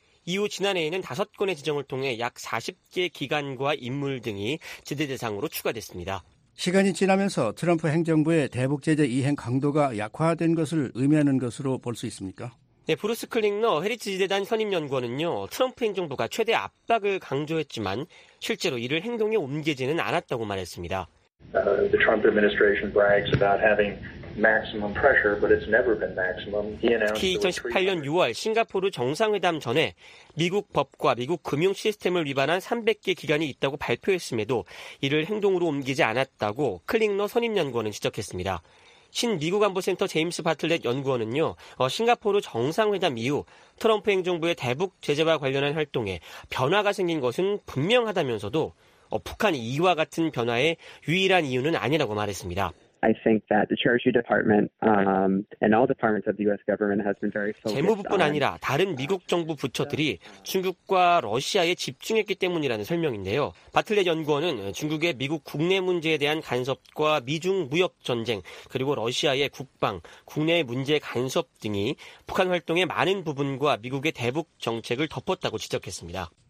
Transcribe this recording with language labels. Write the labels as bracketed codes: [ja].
[ko] 이후 지난해에는 5건의 지정을 통해 약 40개 기관과 인물 등이 제재 대상으로 추가됐습니다. 시간이 지나면서 트럼프 행정부의 대북 제재 이행 강도가 약화된 것을 의미하는 것으로 볼 수 있습니까? 네, 브루스 클링너 헤리티지재단 선임연구원은요, 트럼프 행정부가 최대 압박을 강조했지만 실제로 이를 행동에 옮기지는 않았다고 말했습니다. [en] The Trump administration brags about having maximum pressure, but it's never been maximum. He announced [ko] 특히 2018년 6월 싱가포르 정상회담 전에 미국 법과 미국 금융 시스템을 위반한 300개 기관이 있다고 발표했음에도 이를 행동으로 옮기지 않았다고 클링너 선임연구원은 지적했습니다. 신 미국 안보센터 제임스 바틀렛 연구원은요, 싱가포르 정상회담 이후 트럼프 행정부의 대북 제재와 관련한 활동에 변화가 생긴 것은 분명하다면서도 북한이 이와 같은 변화의 유일한 이유는 아니라고 말했습니다. [en] I think that the Treasury Department and all departments of the U.S. government has been very focused on. [ko] 재무부뿐 아니라 다른 미국 정부 부처들이 중국과 러시아에 집중했기 때문이라는 설명인데요. 바틀렛 연구원은 중국의 미국 국내 문제에 대한 간섭과 미중 무역 전쟁 그리고 러시아의 국방 국내 문제 간섭 등이 북한 활동의 많은 부분과 미국의 대북 정책을 덮었다고 지적했습니다.